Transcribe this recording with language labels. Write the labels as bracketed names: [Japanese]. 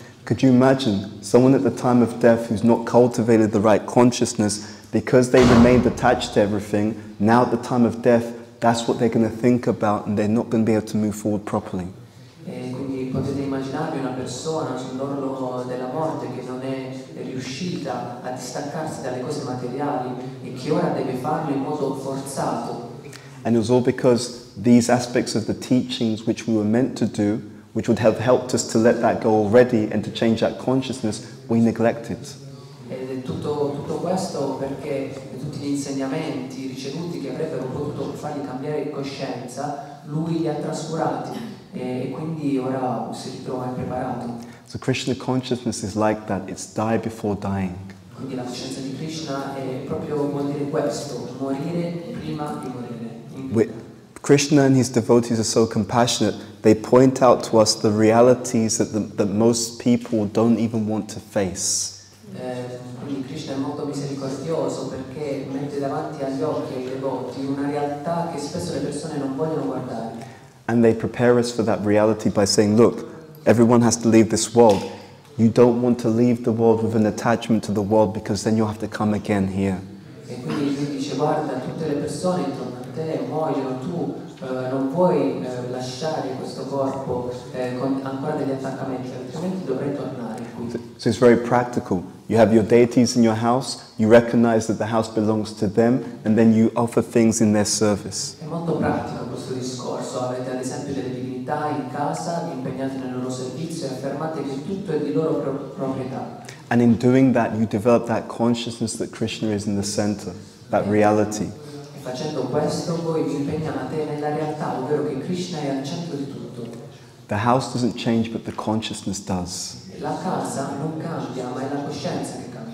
[English] Could you imagine someone at the time of death who's not cultivated the right consciousness because they remained attached to everything, now at the time of death that's what they're going to think about and they're not going to be able to move forward properly. [Italian] Potete immaginarvi una persona sull'orlo della morte che non è riuscita a distaccarsi dalle cose materiali e che ora deve farlo in modo forzato. [English] And it was all because these aspects of the teachings which we were meant to do, which would have helped us to let that go already and to change that consciousness, we neglected. [Italian] Ed è tutto questo perché tutti gli insegnamenti ricevuti che avrebbero potuto fargli cambiare coscienza, lui li ha trascurati. E quindi ora si ritrova impreparato. [English] So Krishna consciousness is like that, it's die before dying. [Italian] Quindi la coscienza di Krishna è proprio vuol dire questo, morire prima di morire. [English] Krishna and his devotees are so compassionate, they point out to us the realities that most people don't even want to face. [Italian] Quindi Krishna è molto misericordioso perché mette davanti agli occhi ai devoti una realtà che spesso le persone non vogliono guardare. [English] And they prepare us for that reality by saying, look, everyone has to leave this world. You don't want to leave the world with an attachment to the world because then you'll have to come again here. [Italian] E quindi lui dice, guarda, tutte le persone intorno a te muoiono, tu non puoi lasciare questo corpo con ancora degli attaccamenti, altrimenti dovrai tornare qui. [English] So it's very practical. You have your deities in your house, you recognize that the house belongs to them, and then you offer things in their service. [Italian] È molto pratico questo discorso. Avete ad esempio delle divinità in casa, impegnate nel loro servizio, e affermate che tutto è di loro proprietà. [English] And in doing that, you develop that consciousness that Krishna is in the center, that reality. [Italian] E facendo questo, voi vi impegnate nella realtà, ovvero che Krishna è al centro di tutto. [English] The house doesn't change, but the consciousness does. [Italian] La casa non cambia, ma è la coscienza che cambia.